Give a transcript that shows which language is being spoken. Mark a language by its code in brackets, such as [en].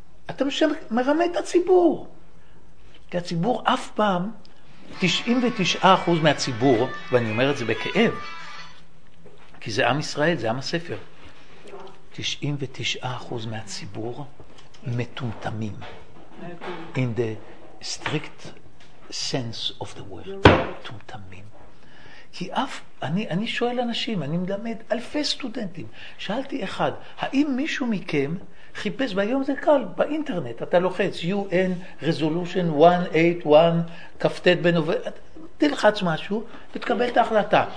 [he] אתם שמרמה את הציבור. כי הציבור אף פעם, 99% מהציבור, ואני אומר את זה בכאב, כי זה עם ישראל, זה עם הספר, 99% מהציבור מטומטמים. [en] In the strict sense of the word. [he] מטומטמים. כי אף, אני שואל אנשים, אני מלמד אלפי סטודנטים, שאלתי אחד, האם מישהו מכם חיפש, והיום זה קל, באינטרנט, אתה לוחץ, UN Resolution 181, כ"ט בנובמבר, תלחץ משהו, ותקבל את ההחלטה.